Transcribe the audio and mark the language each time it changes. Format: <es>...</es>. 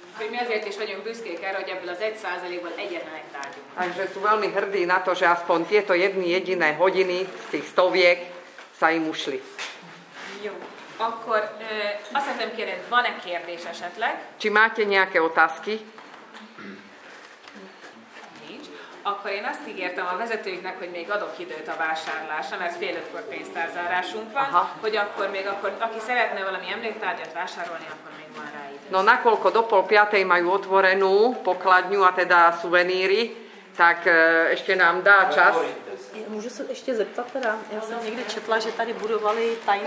<hu>My azért is vagyunk büszkék erre, hogy ebből az 1%-ból egyetlen egy tárgy.</hu> <sk>Takže sú veľmi hrdí na to, že aspoň tieto jedny jediné hodiny z tých stoviek sa im ušli.</sk> <hu>Jo. Akkor azt hiszem kérdez, van-e kérdés esetleg?</hu> <sk>Či máte nejaké otázky?</sk> <hu>Akkor én azt ígértem a vezetőinknek, hogy még adok időt a vásárlásra, mert 4:30-kor pénztárzárásunk van, aha, hogy akkor még akkor, aki szeretne valami emléktárgyat vásárolni, akkor még van rá idő.</hu> <sk>No, nakoľko do pol piatej majú otvorenú pokladňu, a teda suveníry, tak ešte nám dá čas.</sk> <cs>Můžu se ještě zeptat teda, já jsem někdy četla, že tady budovali tajný</cs>